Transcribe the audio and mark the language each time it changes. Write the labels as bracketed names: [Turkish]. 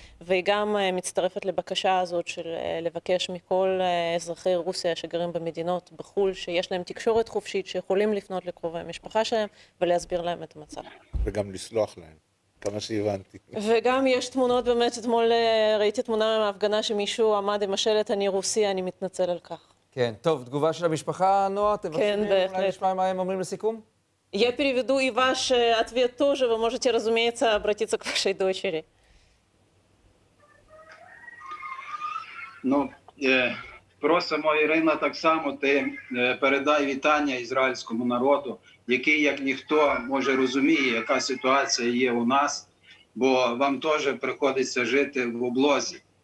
[Hebrew] והיא גם מצטרפת לבקשה הזאת של לבקש מכל אזרחי רוסיה שגרים במדינות בחול, שיש להם תקשורת חופשית, שיכולים לפנות לקרובי המשפחה שלהם ולהסביר להם את המצב. וגם לסלוח להם, כמה שהבנתי. וגם יש תמונות, באמת אתמול ראיתי תמונה מההפגנה שמישהו עמד עם השלט, אני רוסי, אני מתנצל על כך. כן, טוב, תגובה של המשפחה, נועה, אתם כן, רוצים אולי נשמע מה הם אומרים לסיכום? [Russian] Я переведу и ваш ответ тоже. Вы можете, разумеется, обратиться к вашей дочери. [Ukrainian] Ну, просимо, Ірина, так само ти передай вітання ізраїльському народу, який, як ніхто, може розуміє, яка ситуація є у нас, бо вам теж приходиться жити в облозі.